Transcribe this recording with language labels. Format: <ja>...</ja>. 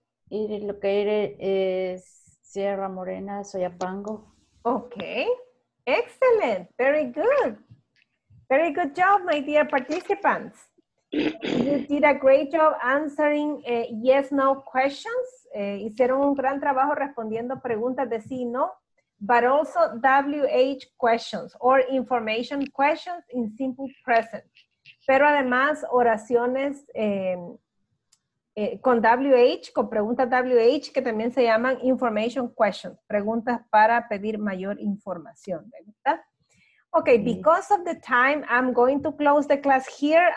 <en>It is located is Sierra Morena, Soyapango. Okay. Excellent. Very good. Very good job, my dear participants. You did a great job answering yes, no questions.</en> <es>Hicieron un gran trabajo respondiendo preguntas de sí y no.</es> <en>But also WH questions or information questions in simple present.</en> <es>Pero además oraciones con WH, con preguntas WH, que también se llaman information questions, preguntas para pedir mayor información, ¿verdad?</es> <en>Okay, because of the time, I'm going to close the class here.</en>